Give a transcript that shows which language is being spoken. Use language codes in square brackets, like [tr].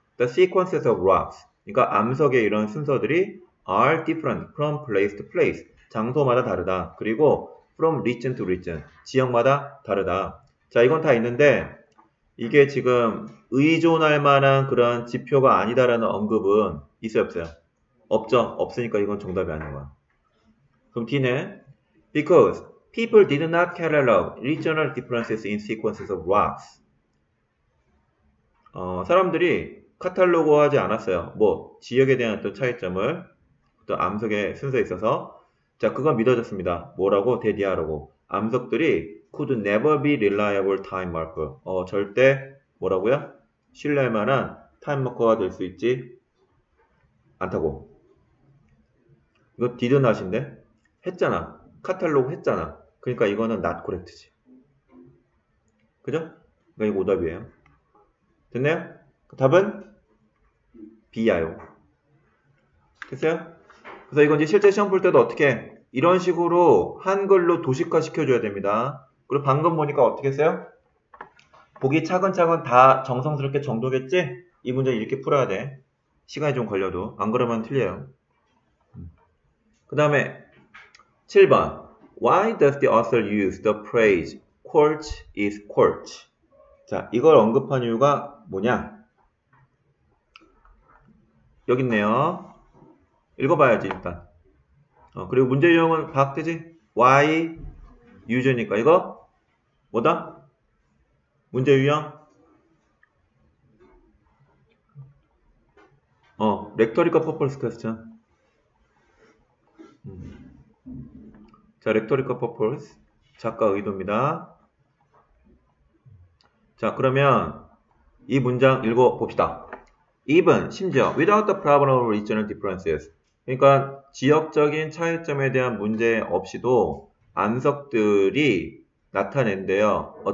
[en] The sequences of rocks. [ko] 그러니까 암석의 이런 순서들이 [en] are different from place to place. [ko] 장소마다 다르다. 그리고 from region to region. 지역마다 다르다. 자, 이건 다 있는데 이게 지금 의존할 만한 그런 지표가 아니다라는 언급은 있어요, 없어요? 없죠. 없으니까 이건 정답이 아닌 거야. [en] 그럼 D는 because people did not catalog regional differences in sequences of rocks. [ko] 사람들이 카탈로그 하지 않았어요. 지역에 대한 또 차이점을, 또 암석의 순서에 있어서. 자, 그건 믿어졌습니다. 뭐라고? 데디아라고. 암석들이 could never be reliable time marker. 절대, 뭐라고요? 신뢰할 만한 타임 마커가 될수 있지 않다고. 이거 did not 인데? 했잖아. 카탈로그 했잖아. 그러니까 이거는 not correct 지. 그죠? 그러니까 이거 오답이에요. 됐나요? 답은? 비야요. 됐어요? 그래서 이건 이제 실제 시험 볼 때도 어떻게 이런 식으로 한글로 도식화 시켜줘야 됩니다. 그리고 방금 보니까 어떻게 했어요? 보기 차근차근 다 정성스럽게 정독했지? 이 문제 이렇게 풀어야 돼. 시간이 좀 걸려도. 안 그러면 틀려요. 그 다음에 7번. [en] Why does the author use the phrase quartz is quartz? [ko] 자, 이걸 언급한 이유가 뭐냐? 여기 있네요. 읽어봐야지 일단. 그리고 문제 유형은 파악되지? Why? use니까 이거 뭐다? 문제 유형? 렉토리컬 퍼플스 퀘스천. 자, 렉토리컬 퍼플스. 작가 의도입니다. 자, 그러면 이 문장 읽어봅시다. [en] Even, 심지어, without the problem of regional differences. [ko] 그러니까 지역적인 차이점에 대한 문제 없이도 암석들이 나타낸대요.